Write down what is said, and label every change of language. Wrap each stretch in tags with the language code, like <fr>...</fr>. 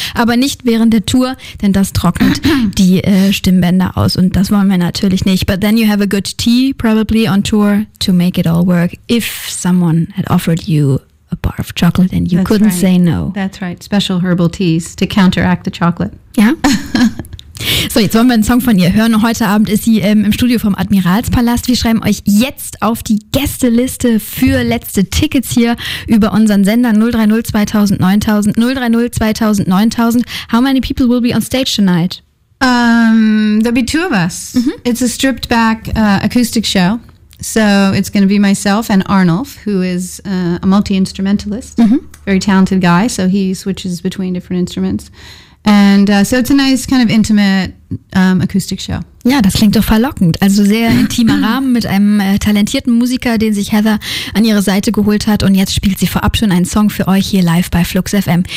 <de>Aber nicht während der Tour, denn das trocknet die Stimmbänder aus. Und das wollen wir natürlich nicht.</de> <en>But then you have a good tea, probably, on tour to make it all work. If someone had offered you a bar of chocolate and you That's couldn't right. say no. That's right. Special herbal teas to counteract the chocolate. Yeah.</en> <de>So, jetzt wollen wir einen Song von ihr hören. Heute Abend ist sie im Studio vom Admiralspalast. Wir schreiben euch jetzt auf die Gästeliste für letzte Tickets hier über unseren Sender 030-2000-9000.</de> <en>How many people will be on stage tonight? There'll be two of us. Mm-hmm. It's a stripped back acoustic show. So it's going to be myself and Arnulf, who is a multi-instrumentalist. Mm-hmm. Very talented guy, so he switches between different instruments. And so it's a nice kind of intimate acoustic show.</en> <de>Ja, das klingt doch verlockend. Also sehr intimer Rahmen mit einem talentierten Musiker, den sich Heather an ihre Seite geholt hat. Und jetzt spielt sie vorab schon einen Song für euch hier live bei Flux FM.</de>